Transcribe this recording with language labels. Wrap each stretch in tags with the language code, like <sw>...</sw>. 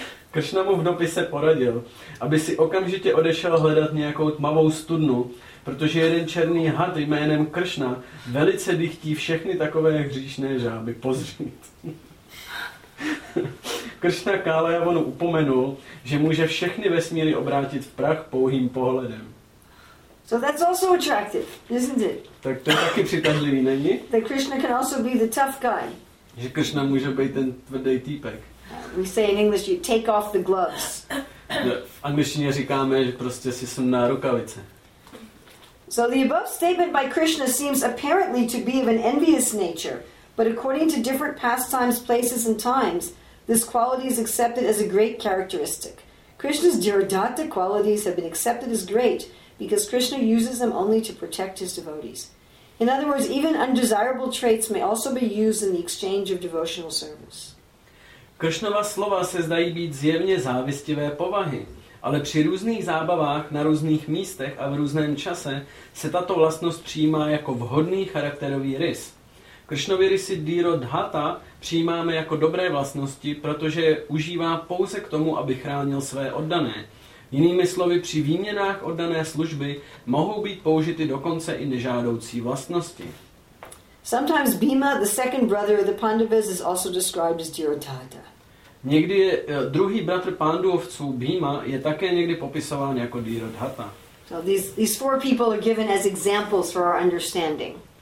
<cs>Kršna mu v dopise poradil, aby si okamžitě odešel hledat nějakou tmavou studnu, protože jeden černý had jménem Kršna velice dychtí všechny takové hříšné žáby pozřít. Kršna Kalajavanu upomenul, že může všechny vesmíry obrátit v prach pouhým pohledem.</cs> <en>So that's also attractive, isn't it?</en> <cs>Tak to je taky přitažlivý, není?</cs> <en>That Krishna can also be the tough guy.</en> <cs>Že Kršna může být ten tvrdý týpek.</cs> <en>We say in English, you take off the gloves.</en> <cs>V angličtině říkáme, že prostě si sundá rukavice.</cs> <en>So the above statement by Krishna seems apparently to be of an envious nature, but according to different pastimes, places and times, this quality is accepted as a great characteristic. Krishna's Dhiradatta qualities have been accepted as great because Krishna uses them only to protect his devotees. In other words, even undesirable traits may also be used in the exchange of devotional service.</en> <cs>Krishnova slova se zdají být zjevně závistivé povahy, ale při různých zábavách, na různých místech a v různém čase se tato vlastnost přijímá jako vhodný charakterový rys. Krishnovy rysy Dhiradatta přijímáme jako dobré vlastnosti, protože je užívá pouze k tomu, aby chránil své oddané. Jinými slovy, při výměnách oddané služby mohou být použity dokonce i nežádoucí vlastnosti.</cs> <en>Sometimes Bhima, the second brother of the Pandavas, is also described as Dhiradatta.</en> <cs>Někdy druhý bratr Pándovců, Bhima, je také někdy popisován jako Dhiradatta.</cs> <en>So these four people are given as examples for our understanding.</en>